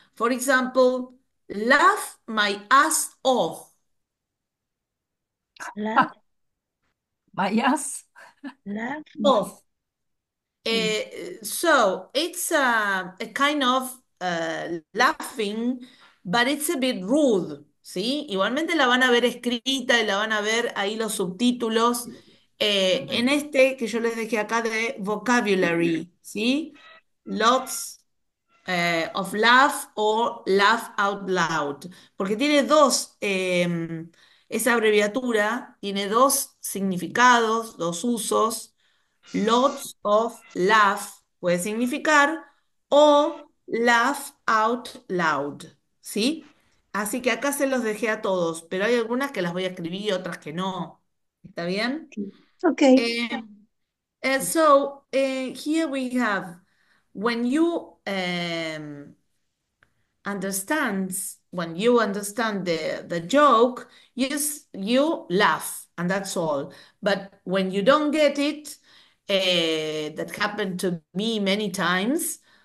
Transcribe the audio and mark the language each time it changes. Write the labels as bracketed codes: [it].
[en] For example, laugh my ass off. Laugh. My ass. Laugh My. off. So it's a kind of laughing, but it's a bit rude, ¿sí? [es] Igualmente la van a ver escrita y la van a ver ahí los subtítulos en este que yo les dejé acá de vocabulary, ¿sí? [en] Lots of laugh [es] o [en] laugh out loud, [es] porque tiene dos, esa abreviatura tiene dos significados, dos usos. [en] Lots of laugh [es] puede significar o [en] laugh out loud, [es] ¿sí? Así que acá se los dejé a todos, pero hay algunas que las voy a escribir y otras que no. ¿Está bien? [en] Okay. So here we have, when you understand the joke, you laugh and that's all. But when you don't get it, that happened to me many times.